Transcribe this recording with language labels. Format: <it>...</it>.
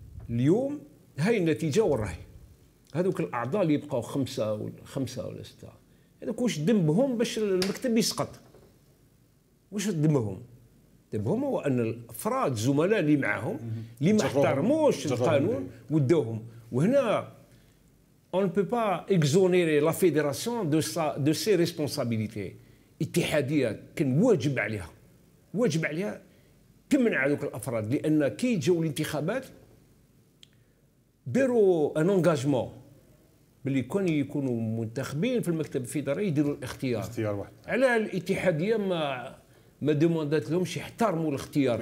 <ar>اليوم هاي النتيجة وراهي، هذوك الأعضاء اللي يبقوا خمسة ولا ستة هذوك واش ذنبهم باش المكتب يسقط؟ واش ذنبهم؟ ذنبهم هو أن الأفراد الزملاء اللي معاهم اللي ما احترموش القانون وداوهم.</ar> <fr>وهنا on ne peut pas exonérer la fédération de ses responsabilités.</fr> <ar>اتحاديه كان واجب عليها، واجب عليها تمنع هذوك الافراد، لان كي يجوا الانتخابات داروا ان انغاجمون باللي كون يكونوا منتخبين في المكتب الفيدرالي يديروا الاختيار اختيار واحد على الاتحاديه ما ديموندات لهمش يحترموا الاختيار</ar>